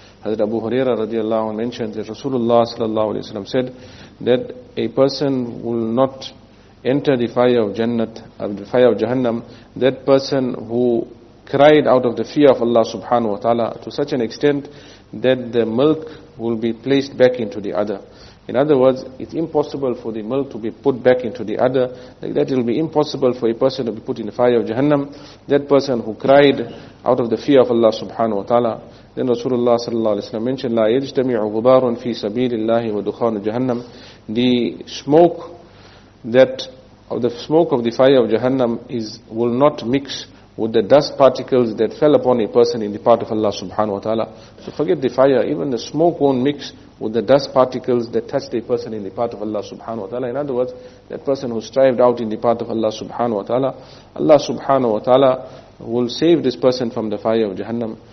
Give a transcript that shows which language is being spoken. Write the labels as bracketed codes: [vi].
[en] Hazrat Abu Hurairah radiallahu anhu mentioned that Rasulullah sallallahu alayhi wa sallam said that a person will not enter the fire of Jannat, the fire of Jahannam, that person who cried out of the fear of Allah subhanahu wa ta'ala to such an extent that the milk will be placed back into the udder. In other words, it's impossible for the milk to be put back into the udder. Like that, it will be impossible for a person to be put in the fire of Jahannam. That person who cried out of the fear of Allah subhanahu wa ta'ala. Then Rasulullah sallallahu alayhi wa sallam mentioned, [ar] لا يجتمع غبار في سبيل الله ودخان جهنم. [en] The smoke that of the smoke of the fire of Jahannam will not mix with the dust particles that fell upon a person in the path of Allah subhanahu wa ta'ala. So forget the fire, even the smoke won't mix with the dust particles that touched a person in the path of Allah subhanahu wa ta'ala. In other words, that person who strived out in the path of Allah subhanahu wa ta'ala, Allah subhanahu wa ta'ala will save this person from the fire of Jahannam.